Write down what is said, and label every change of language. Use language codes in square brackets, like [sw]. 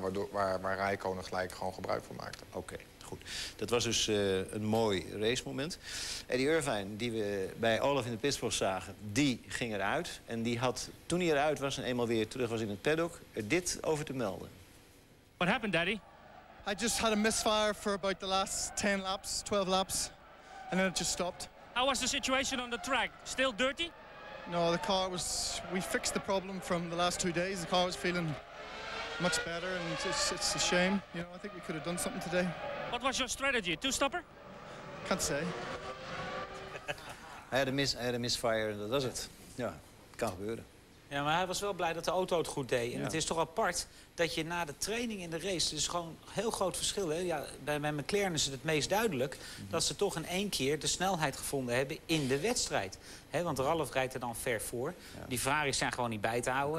[nl] Waar Raikkonen gelijk gewoon gebruik van maakte. Oké, goed. Dat was dus een mooi racemoment. Eddie Irvine, die we bij Olaf in de pitbox zagen, die ging eruit. En die had, toen hij eruit was en eenmaal weer terug was in het paddock, er dit over te melden. [en] What happened, Daddy? I just had a misfire for about the last 10 laps, 12 laps, and then it just stopped. How was the situation on the track? Still dirty? No, the car was, we fixed the problem from the last 2 days. The car was feeling much better, and it's a shame. You know, I think we could have done something today. What was your strategy? Two-stopper? Can't say. I had a misfire, and that was it. Yeah, it can happen. [nl] Ja, maar hij was wel blij dat de auto het goed deed. En het is toch apart dat je na de training in de race, dus gewoon heel groot verschil. Hè? Ja, bij McLaren is het het meest duidelijk dat ze toch in één keer de snelheid gevonden hebben in de wedstrijd. Hè, want Ralf rijdt er dan ver voor. Ja. Die Ferraris zijn gewoon niet bij te houden.